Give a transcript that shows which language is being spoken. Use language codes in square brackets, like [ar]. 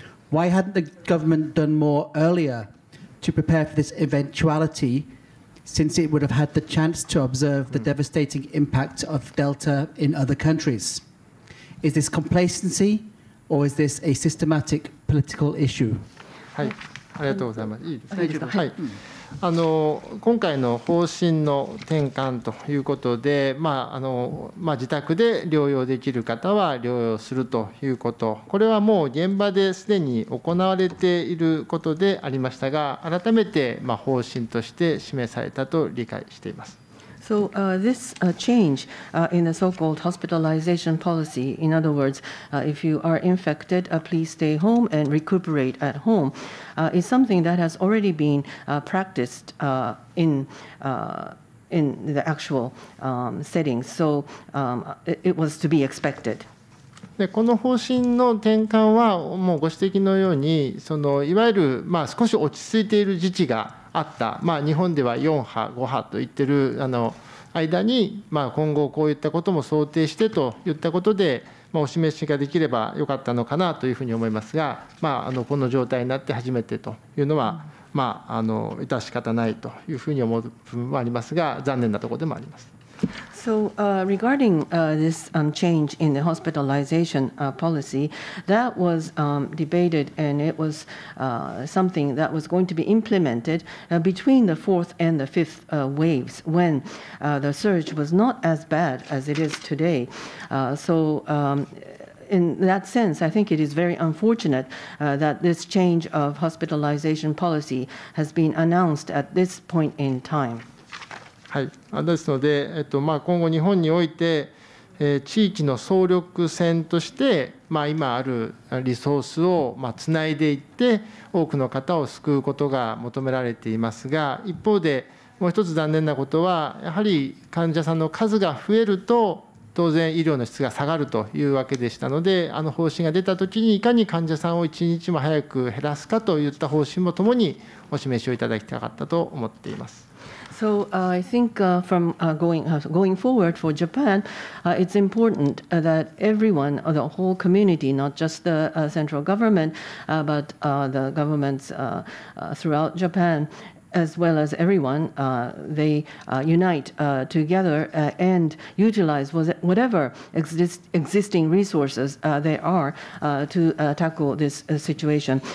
[en] Why hadn't the government done more earlier to prepare for this eventuality, since it would have had the chance to observe the devastating impact of Delta in other countries? Is this complacency or is this a systematic political issue? [ja] はい、ありがとうございます。いいですね。大丈夫ですか？はい。今回の方針の転換ということで、自宅で療養できる方は療養するということ、これはもう現場ですでに行われていることでありましたが、改めて方針として示されたと理解しています。 [en] So, this change in the so-called hospitalization policy, in other words, if you are infected, please stay home and recuperate at home, is something that has already been practiced in the actual settings. So, it was to be expected. [ja] でこの方針の転換はもうご指摘のようにそのいわゆる少し落ち着いている時期があった、日本では4波5波と言っている間に今後こういったことも想定してといったことで、お示しができればよかったのかなというふうに思いますが、この状態になって初めてというのは致し方ないというふうに思う部分もありますが残念なところでもあります。 [en] So, regarding this change in the hospitalization policy, that was debated and it was something that was going to be implemented between the fourth and the fifth waves when the surge was not as bad as it is today. In that sense, I think it is very unfortunate that this change of hospitalization policy has been announced at this point in time. [ja] はい、ですので、今後日本において、地域の総力戦として、今あるリソースをつないでいって多くの方を救うことが求められていますが一方でもう一つ残念なことはやはり患者さんの数が増えると当然医療の質が下がるというわけでしたので方針が出たときにいかに患者さんを一日も早く減らすかといった方針もともにお示しをいただきたかったと思っています。 [en] So I think from going forward for Japan, it's important that everyone, the whole community, not just the central government, but the governments throughout Japan, as well as everyone, they unite together and utilize whatever existing resources there are to tackle this situation.